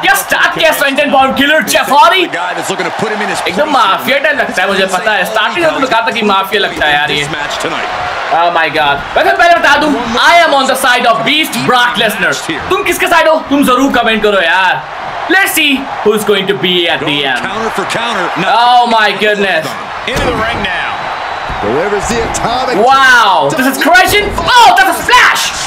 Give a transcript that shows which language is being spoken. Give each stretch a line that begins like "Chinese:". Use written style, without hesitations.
Hindi: क्या स्टार्ट किया Swanton Bomb Killer Jeff Hardy? एकदम माफिया टाइप लगता है मुझे पता है. स्टार्टिंग में तो कहा था कि माफिया लगता है यार ये.
English: Oh my god.
Hindi: वैसे पहले बता दूं,
English: I am on the side of Beast Brock Lesnar.
Hindi: तुम किसके साइड हो? तुम जरूर कमेंट करो यार.
English: Let's see who's going to be at the end. Counter for counter. Oh my goodness. Into the ring now. Delivers the atomic. Wow. This is crashing. Oh, that's a splash.